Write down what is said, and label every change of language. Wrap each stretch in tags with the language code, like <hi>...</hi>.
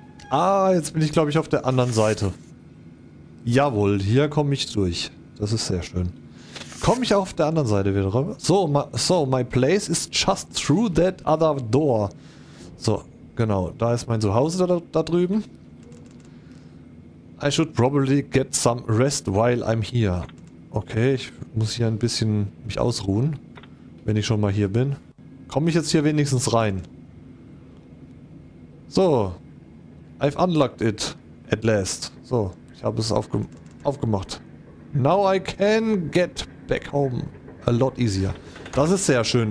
<de>Ah, jetzt bin ich, glaube ich, auf der anderen Seite. Jawohl, hier komme ich durch. Das ist sehr schön. Komme ich auch auf der anderen Seite wieder rüber?</de> <en>So, my place is just through that other door.</en> <de>So, genau, da ist mein Zuhause da drüben.</de> <en>I should probably get some rest while I'm here.</en> <de>Okay, ich muss hier ein bisschen mich ausruhen, wenn ich schon mal hier bin. Komme ich jetzt hier wenigstens rein?</de> <en>So. I've unlocked it at last.</en> <de>So, ich habe es aufgemacht.</de> <en>Now I can get back home a lot easier.</en> <de>Das ist sehr schön.</de>